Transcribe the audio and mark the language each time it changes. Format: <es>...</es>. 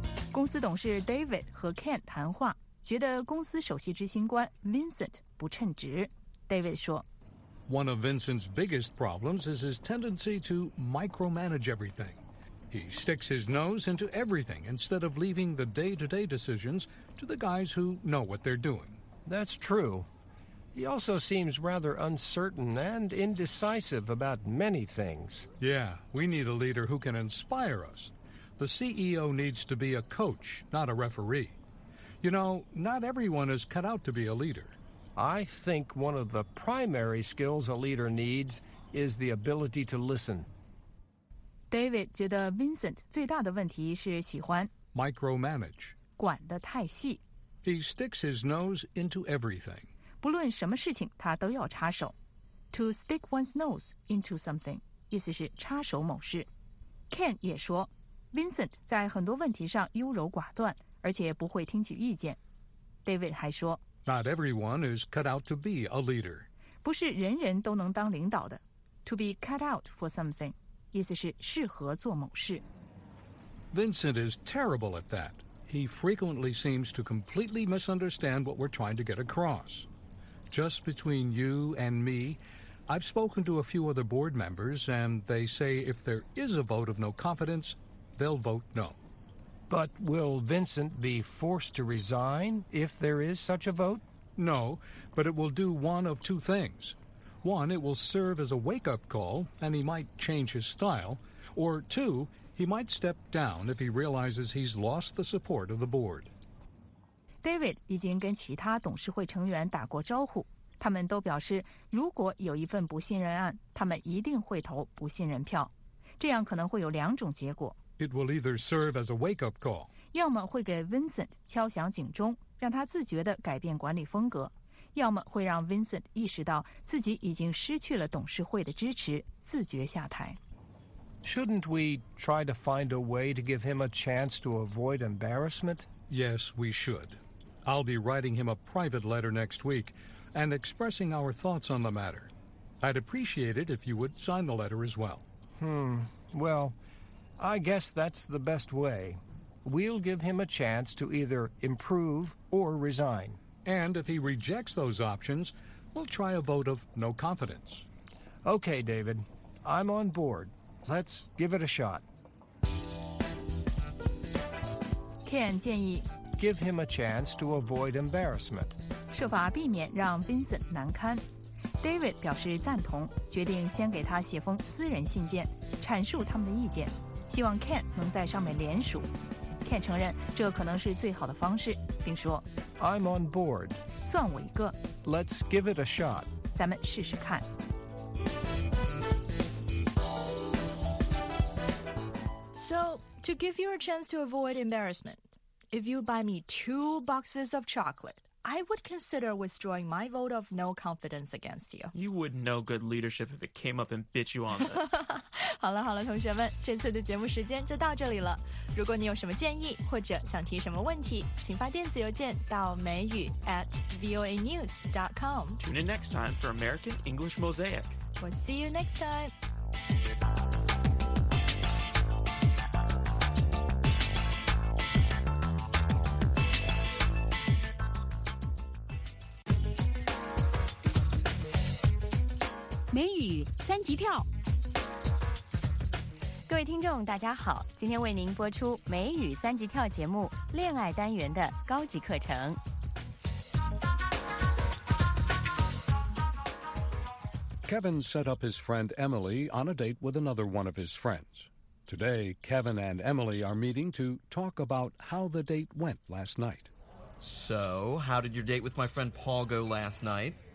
<zh>公司董事 David 和 Ken 谈话觉得公司首席执行官 Vincent 不称职 David 说</zh> <en>One of Vincent's biggest problems is his tendency to micromanage everything. He sticks his nose into everything instead of leaving the day-to-day decisions to the guys who know what they're doing. That's true. He also seems rather uncertain and indecisive about many things. Yeah, we need a leader who can inspire us. The CEO needs to be a coach, not a referee. You know, not everyone is cut out to be a leader. I think one of the primary skills a leader needs is the ability to listen.</en> <zh>David 觉得 Vincent 最大的问题是喜欢</zh> <en>micromanage.</en> <zh>管得太细。</zh> <en>He sticks his nose into everything.</en> <zh>不论什么事情他都要插手。</zh> <en>To stick one's nose into something,</en> <zh>意思是插手某事。 Ken 也说 Vincent 在很多问题上优柔寡断。而且不会听取意见。David 还说</zh> <en>Not everyone is cut out to be a leader.</en> <zh>不是人人都能当领导的。</zh> <en>To be cut out for something,</en> <zh>意思是适合做某事。</zh> <en>Vincent is terrible at that. He frequently seems to completely misunderstand what we're trying to get across. Just between you and me, I've spoken to a few other board members, and they say if there is a vote of no confidence, they'll vote no. But will Vincent be forced to resign if there is such a vote? No, but it will do one of two things. One, it will serve as a wake-up call, and he might change his style. Or two, he might step down if he realizes he's lost the support of the board.</en> <zh>David 已经跟其他董事会成员打过招呼。他们都表示，如果有一份不信任案，他们一定会投不信任票。这样可能会有两种结果。</zh> <en>It will either serve as a wake-up call.</en> <zh>要么会给 Vincent 敲响警钟，让他自觉地改变管理风格；要么会让 Vincent 意识到自己已经失去了董事会的支持，自觉下台。</zh> <en>Shouldn't we try to find a way to give him a chance to avoid embarrassment? Yes, we should. I'll be writing him a private letter next week and expressing our thoughts on the matter. I'd appreciate it if you would sign the letter as well. Well... I guess that's the best way. We'll give him a chance to either improve or resign. And if he rejects those options, we'll try a vote of no confidence. Okay, David. I'm on board. Let's give it a shot.</en> <zh>Ken 建议</zh> <en>Give him a chance to avoid embarrassment.</en> <zh>设法避免让 Vincent 难堪。David 表示赞同，决定先给他写封私人信件，阐述他们的意见。希望 Ken 能在上面联署。Ken 承认这可能是最好的方式，并说</zh> <en>I'm on board.</en> <zh>算我一个。</zh> <en>Let's give it a shot.</en> <zh>咱们试试看。</zh> <en>So, to give you a chance to avoid embarrassment, if you buy me 2 boxes of chocolate, I would consider withdrawing my vote of no confidence against you. You wouldn't know good leadership if it came up and bit you on the...</en> <zh>好了好了同学们这次的节目时间就到这里了如果你有什么建议或者想提什么问题请发电子邮件到美语@voanews.com</zh> <en>Tune in next time for American English Mosaic We'll see you next time</en> <zh>美语三级跳。各位听众大家好，今天为您播出美语三级跳节目恋爱单元的高级课程。</zh> <en>Kevin set up his friend Emily on a date with another one of his friends. Today, Kevin and Emily are meeting to talk about how the date went last night. So, how did your date with my friend Paul go last night?</en>